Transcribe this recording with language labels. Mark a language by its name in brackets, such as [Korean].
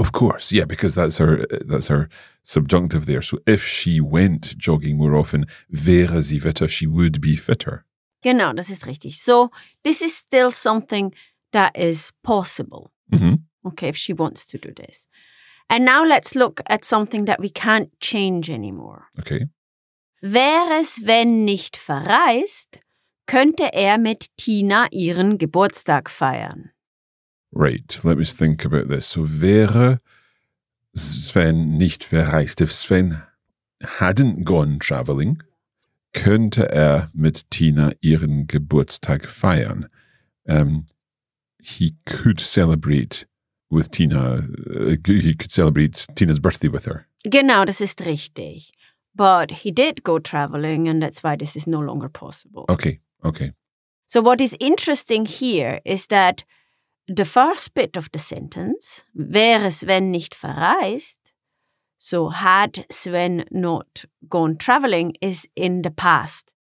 [English] Of course, yeah, because that's her subjunctive there. So if she went jogging more often, [German] wäre sie fitter, [English] she would be fitter. [German] Genau, das ist richtig. [English] So this is still something that is possible. Mm-hmm. Okay, if she wants to do this. And now let's look at something that we can't change anymore. Okay. [German] Wäre es, wenn nicht verreist, könnte er mit Tina ihren Geburtstag feiern. [English] Right, let me think about this. [German] So wäre Sven nicht verreist, [English] if Sven hadn't gone traveling, [German] könnte er mit Tina ihren Geburtstag feiern. [English] He could celebrate with Tina, he could celebrate Tina's birthday with her. [German] Genau, das ist richtig. [English] But he did go traveling and that's why this is no longer possible. Okay, okay. So what is interesting here is that the first bit of the sentence, [German] wäre Sven nicht verreist, [English] so had Sven not gone traveling, is in the past.